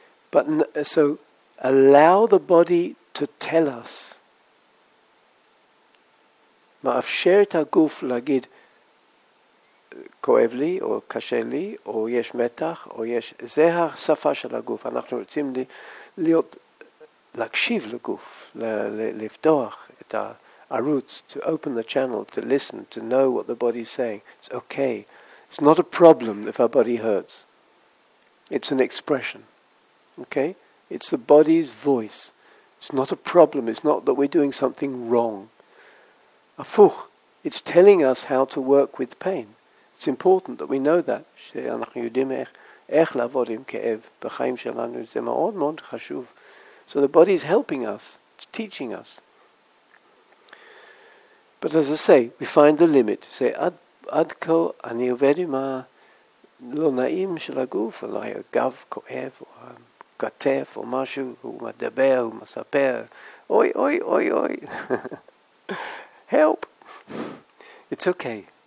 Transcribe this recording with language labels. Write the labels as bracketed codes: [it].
[en] But so allow the body to tell us. [he] Ma'afsher et haguf lagid כואב לי, או קשה לי, או יש מתח, או יש... זה השפה של הגוף. אנחנו רוצים להיות, להקשיב לגוף, לפתוח את הערוץ, [en] to open the channel, to listen, to know what the body is saying. It's okay. It's not a problem if our body hurts. It's an expression. Okay? It's the body's voice. It's not a problem. It's not that we're doing something wrong. [he] Afuch. [en] It's telling us how to work with pain. It's important that we know that. [he] שאנחנו יודעים איך לעבוד עם כאב בחיים שלנו. זה מאוד מאוד חשוב. [en] So the body is helping us. It's teaching us. But as I say, we find the limit. Say, [he] עד כה אני עובד עם הלא נעים של הגוף, אולי הגב כואב, או הכתף, או משהו, הוא מדבר, הוא מספר. אוי, אוי, אוי, אוי. [en] Help. It's okay.